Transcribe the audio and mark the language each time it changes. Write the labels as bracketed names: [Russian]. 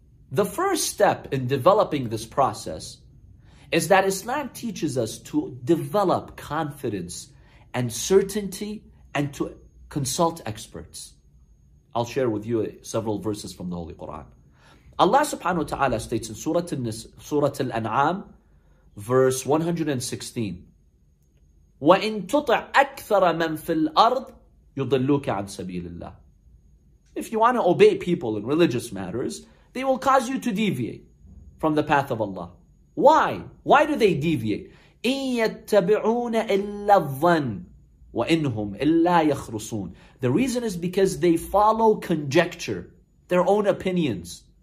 [English] The first step in developing this process is that Islam teaches us to develop confidence and certainty and to consult experts. I'll share with you several verses from the Holy Quran. Allah subhanahu wa ta'ala states in Surah Al-An'am, verse 116, [Arabic] وَإِن تُطِعْ أَكْثَرَ مَن فِي الْأَرْضِ يُضِلُّكَ عَن سَبِيلِ اللَّهِ. [English] If you want to obey people in religious matters, they will cause you to deviate from the path of Allah. Why? Why do they deviate? [Arabic] إِن يَتَّبِعُونَ إِلَّا الظَّنَّ وَإِنْهُمْ إِلَّا يَخْرُصُونَ. [English] The reason is because they follow conjecture, their own opinions.